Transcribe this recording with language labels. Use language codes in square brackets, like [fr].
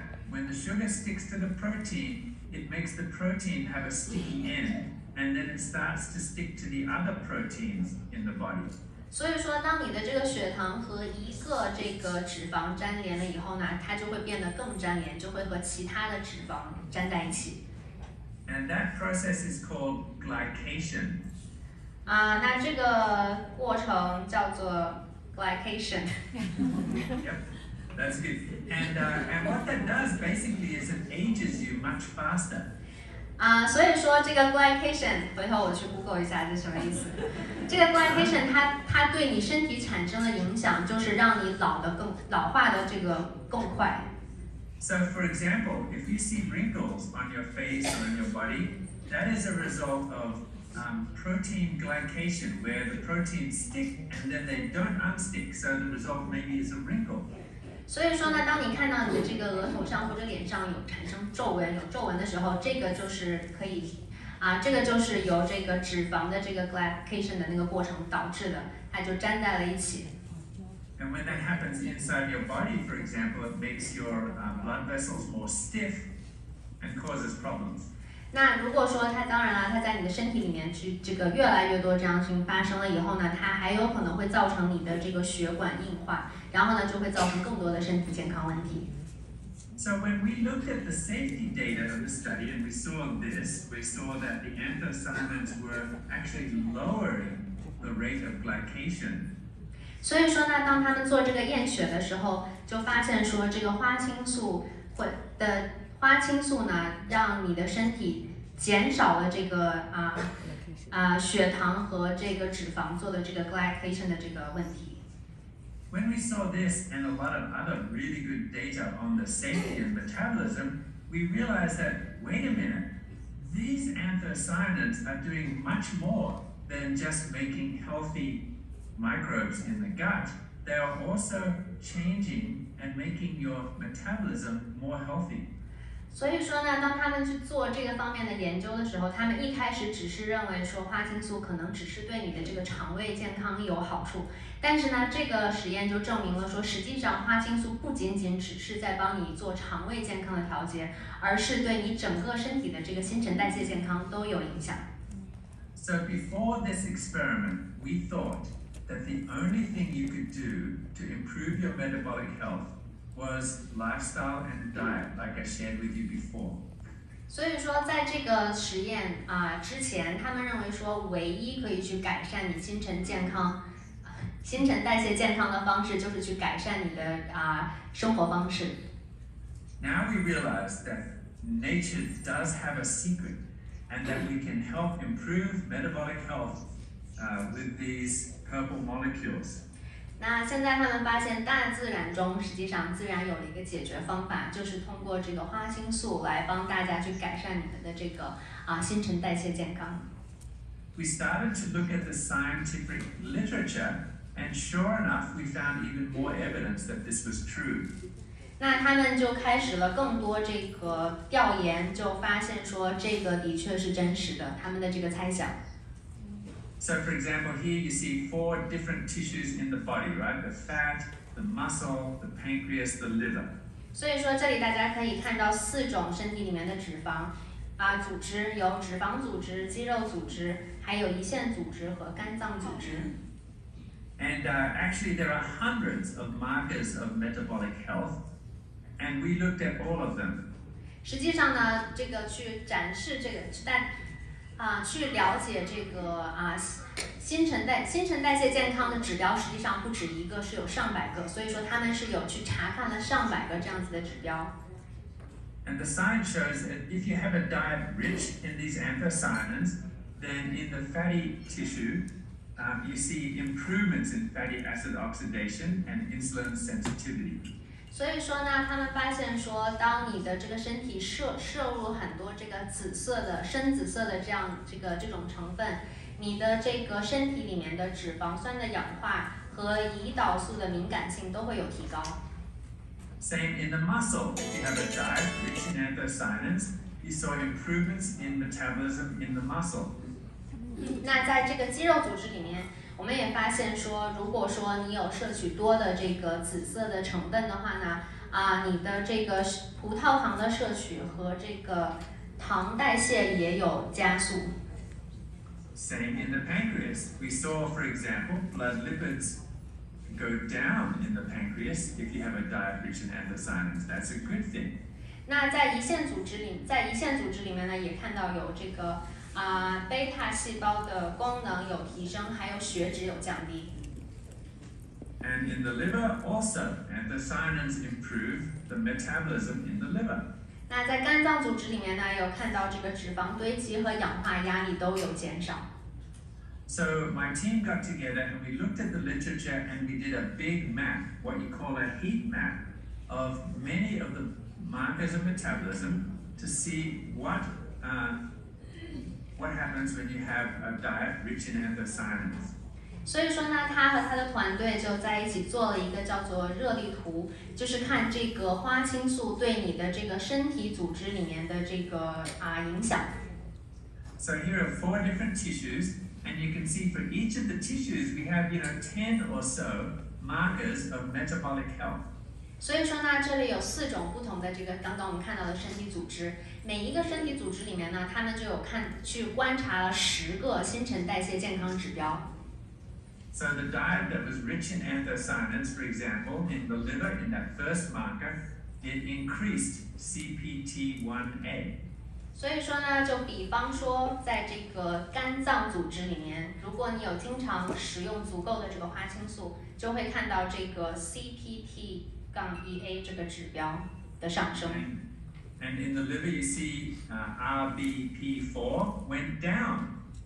[en] When the sugar sticks to the protein, it makes the protein have a sticky end, and then it starts to stick to the other proteins in the body. [zh] 所以说，当你的这个血糖和一个这个脂肪粘连了以后呢，它就会变得更粘连，就会和其他的脂肪粘在一起。 [en] And that process is called glycation. [zh] 那这个过程叫做 glycation. [en] yep. That's good. And what that does basically is it ages you much faster. [zh] 所以说这个 glycation, 回头我去 Google 一下是什么意思。这个 glycation 它对你身体产生的影响就是让你老化的这个更快。 [en] So for example, if you see wrinkles on your face or in your body, that is a result of protein glycation, where the proteins stick and then they don't unstick, so the result maybe is a wrinkle. [zh] 所以说呢，当你看到你的这个额头上或者脸上有产生皱纹，有皱纹的时候，这个就是可以啊，这个就是由这个脂肪的这个 glycation 的那个过程导致的，它就粘在了一起。 [en] And when that happens inside your body, for example, it makes your blood vessels more stiff and causes problems. [zh] 那如果说它当然了，它在你的身体里面去这个越来越多这样性发生了以后呢，它还有可能会造成你的这个血管硬化，然后呢就会造成更多的身体健康问题。 [en] So when we looked at the safety data of the study and we saw this, we saw that the anthocyanins were actually lowering the rate of glycation. [zh] 所以说呢，当他们做这个验血的时候，就发现说这个花青素会的花青素呢，让你的身体减少了这个血糖和这个脂肪做的这个 glycation 的这个问题。 [en] When we saw this and a lot of other really good data on the safety of metabolism, we realized that, wait a minute, these anthocyanins are doing much more than just making healthy microbes in the gut. They are also changing and making your metabolism more healthy. [zh] 所以说呢，当他们去做这个方面的研究的时候，他们一开始只是认为说花青素可能只是对你的这个肠胃健康有好处，但是呢，这个实验就证明了说，实际上花青素不仅仅只是在帮你做肠胃健康的调节，而是对你整个身体的这个新陈代谢健康都有影响。 [en] So before this experiment, we thought that the only thing you could do to improve your metabolic health was lifestyle and diet, like I shared with you before. [zh] 所以说，在这个实验之前，他们认为说，唯一可以去改善你新陈健康。新陈代谢健康的方式就是去改善你的生活方式。 [en] Now we realize that nature does have a secret, and that we can help improve metabolic health with these purple molecules. [zh] 那现在他们发现大自然中实际上自然有了一个解决方法，就是通过这个花青素来帮大家去改善你们的这个新陈代谢健康。 [en] We started to look at the scientific literature. And sure enough, we found even more evidence that this was true. [zh] 那他们就开始了更多这个调研，就发现说这个的确是真实的，他们的这个猜想。 [en] So for example, here you see four different tissues in the body, right? The fat, the muscle, the pancreas, the liver. [zh] 所以说这里大家可以看到四种身体里面的脂肪，组织有脂肪组织、肌肉组织，还有胰腺组织和肝脏组织。 [en] And actually, there are hundreds of markers of metabolic health, and we looked at all of them. [zh] 实际上呢，这个去展示这个，去了解这个新陈代谢健康的指标，实际上不止一个，是有上百个。所以说，他们是有去查看了上百个这样子的指标。 [en] And the science shows that if you have a diet rich in these anthocyanins, then in the fatty tissue. You see improvements in fatty acid oxidation and insulin sensitivity. [zh] 所以说呢，他们发现说，当你的这个身体摄入很多这个紫色的、深紫色的这种成分，你的这个身体里面的脂肪酸的氧化和胰岛素的敏感性都会有提高。 [en] Same in the muscle. If you have a diet rich in anthocyanins, you saw improvements in metabolism in the muscle. [zh] 那在这个肌肉组织里面，我们也发现说，如果说你有摄取多的这个紫色的成分的话呢，你的这个葡萄糖的摄取和这个糖代谢也有加速。 [en] Same in the pancreas. We saw, for example, blood lipids go down in the pancreas if you have a diet rich in anthocyanins. That's a good thing. [zh] 那在胰腺组织里面呢，也看到有这个。 beta 细胞的功能有提升，还有血脂有降低。 [en] And in the liver also, and the anthocyanins improve the metabolism in the liver. [zh] 那在肝脏组织里面呢，有看到这个脂肪堆积和氧化压力都有减少。 [en] So my team got together and we looked at the literature and we did a big map, what you call a heat map, of many of the markers of metabolism to see what happens when you have a diet rich in anthocyanins. [zh] 所以说呢，他和他的团队就在一起做了一个叫做热力图，就是看这个花青素对你的这个身体组织里面的这个影响。 [en] So here are four different tissues, and you can see for each of the tissues, we have, you know, 10 or so markers of metabolic health. [zh] 所以说呢，这里有四种不同的这个刚刚我们看到的身体组织，每一个身体组织里面呢，他们就有看去观察了十个新陈代谢健康指标。 [en] So the diet that was rich in anthocyanins, for example, in the liver, in that first marker, it increased CPT1A. [zh] 所以说呢，就比方说在这个肝脏组织里面，如果你有经常食用足够的这个花青素，就会看到这个 CPT-1A 这个指标的上升。 [en] And in the liver, you see RBP4 went down.